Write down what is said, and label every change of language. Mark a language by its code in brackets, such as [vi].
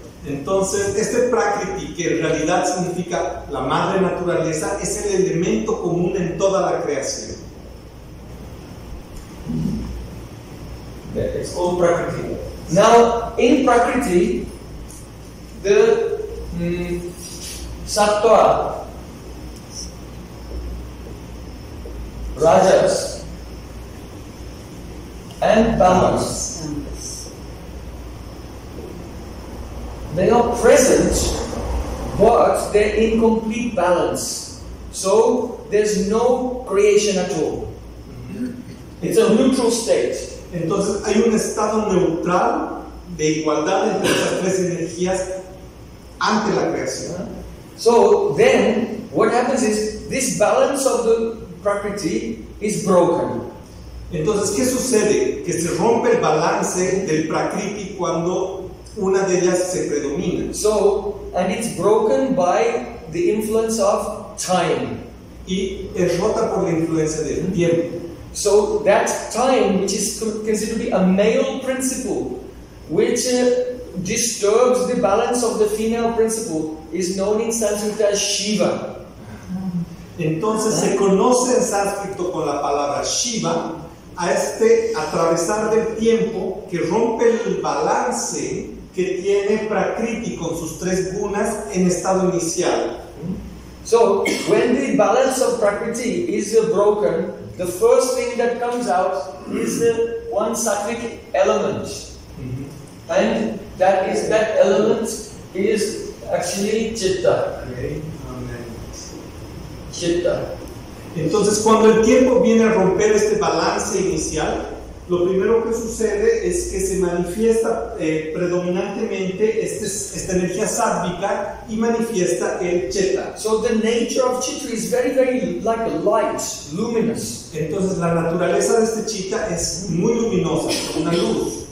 [es] Entonces, este prakriti, que en realidad significa la madre naturaleza, es el elemento común en toda la creación. [en] Yeah, it's all prakriti. Now, in prakriti, the sattva, rajas, and tamas, they are present, but they're in complete balance. So, there's no creation at all. It's a neutral state. [es] Entonces hay un estado neutral de igualdad entre esas tres energías ante la creación. [en] So then, what happens is this balance of the prakriti is broken. [es] Entonces, ¿qué sucede? Que se rompe el balance del prakriti cuando una de ellas se predomina. [en] So, and it's broken by the influence of time. [es] Y es rota por la influencia del tiempo. [en] So that time, which is considered to be a male principle, which disturbs the balance of the female principle, is known in Sanskrit as Shiva. [es] Entonces se conoce en sánscrito con la palabra Shiva a este atravesar del tiempo que rompe el balance que tiene Prakriti con sus tres gunas en estado inicial. [en] So when the balance of Prakriti is broken, the first thing that comes out is the one sattvic element, and that element is actually chitta. Okay. Chitta. [es] Entonces, cuando el tiempo viene a romper este balance inicial, lo primero que sucede es que se manifiesta predominantemente esta energía sattvica y manifiesta el chitta. [en] So the nature of chitta is very, very like a light, luminous. [es] Entonces la naturaleza de este chitta es muy luminosa, una luz.